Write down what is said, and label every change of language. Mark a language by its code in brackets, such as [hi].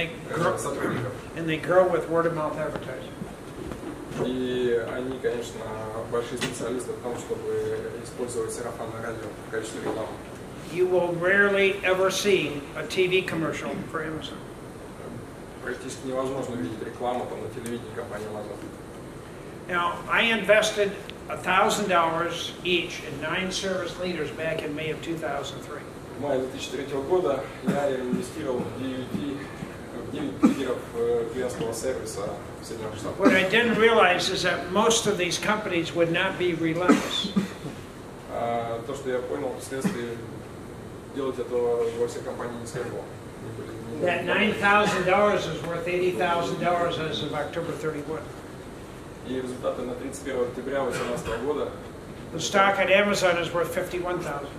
[en] And they grow with word-of-mouth advertising. [ru] И они, конечно, большие специалисты в том, чтобы использовать сарафанное радио в качестве рекламы. [en] You will rarely ever see a TV commercial for Amazon. [ru] Практически невозможно видеть рекламу там на телевидении компании Amazon. [en] Now, I invested $1,000 each in 9 service leaders back in May of 2003. [ru] В мае 2003 года я инвестировал в 9 лидеров сервиса. [en] What I didn't realize is that most of these companies would not be relentless. [ru] То, что я понял, впоследствии делать этого во всей компании не следовало. [en] That $9,000 is worth $80,000 as of October 31. [ru] И результаты на 31 октября 2018 года. [en] The stock at Amazon is worth $51,000.